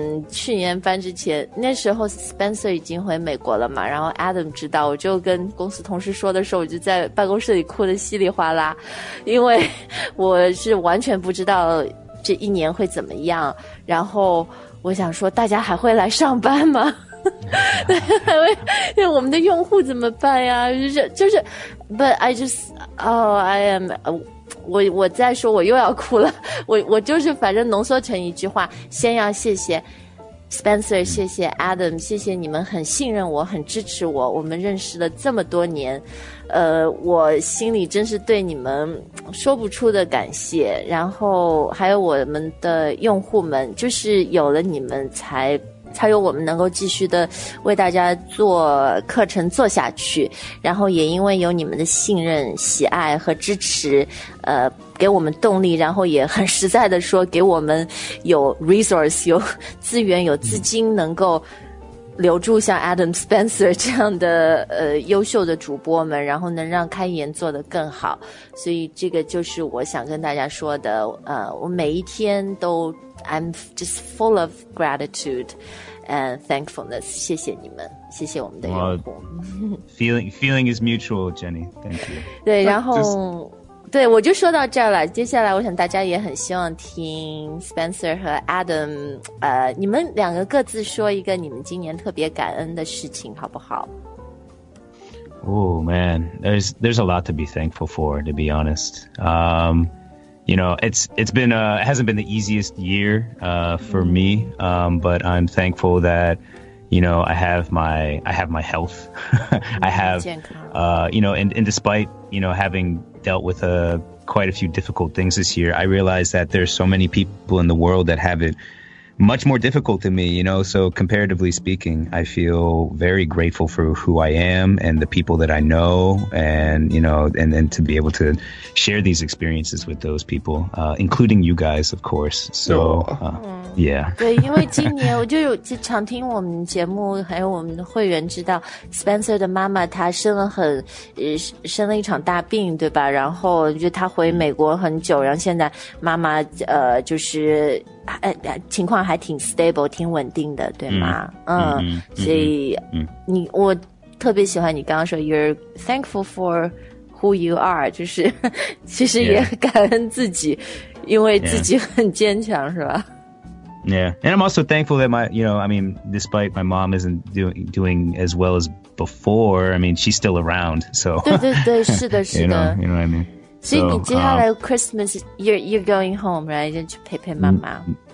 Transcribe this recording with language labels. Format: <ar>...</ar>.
<zh>去年搬之前，那时候 Spencer 已经回美国了嘛，然后 Adam 知道，我就跟公司同事说的时候，我就在办公室里哭得稀里哗啦，因为我是完全不知道这一年会怎么样，然后我想说大家还会来上班吗？对，我们的用户怎么办呀？就是 ，</zh> <en>But I just, oh, I am,</en> <zh>我再说我又要哭了。我就是反正浓缩成一句话，先要谢谢 Spencer， 谢谢 Adam， 谢谢你们很信任我，很支持我。我们认识了这么多年，我心里真是对你们说不出的感谢。然后还有我们的用户们，就是有了你们才有我们能够继续的为大家做课程做下去，然后也因为有你们的信任、喜爱和支持，给我们动力，然后也很实在的说，给我们有 resource、有资源、有资金，能够留住像 Adam Spencer 这样的优秀的主播们，然后能让开言做得更好。所以这个就是我想跟大家说的，我每一天都。</zh> <en>I'm just full of gratitude and thankfulness.</en> <zh>谢谢你们，谢谢我们的用户。</zh> <en>Well, feeling is mutual, Jenny. Thank you.</en> <zh>对，然后 对，我就说到这儿了。接下来，我想大家也很希望听 Spencer 和 Adam， 你们两个各自说一个你们今年特别感恩的事情，好不好？</zh> <en>Oh man, there's a lot to be thankful for, to be honest. You know, it hasn't been the easiest year, for me. But I'm thankful that, you know, I have my health. I have, you know, and despite, you know, having dealt with, quite a few difficult things this year, I realized that there's so many people in the world that have it much more difficult than me, you know. So comparatively speaking, I feel very grateful for who I am and the people that I know, and you know, and to be able to share these experiences with those people, including you guys, of course. So, yeah.</en> <zh>对，因为今年我就常听我们节目，还有我们的会员知道 ，Spencer 的妈妈她生了一场大病，对吧？然后就她回美国很久，然后现在妈妈就是。情况还挺</zh> <en>stable，</en> <zh>挺稳定的，对吗？所以我特别喜欢你刚刚说</zh> <en>you're thankful for who you are，</en> <zh>就是其实也感恩自己，</zh> <en>yeah.</en> <zh>因为自己很坚强，</zh> <en>yeah.</en> <zh>是吧？</zh> <en>Yeah, and I'm also thankful that my, you know, I mean, despite my mom isn't doing as well as before, I mean, she's still around. So</en> <zh>对对对，是的，是的。</zh> <en>You know what I mean?</en> <zh>所以你接下来</zh> <en>Christmas, you're going home, right?</en> <zh>去陪陪妈妈。</zh>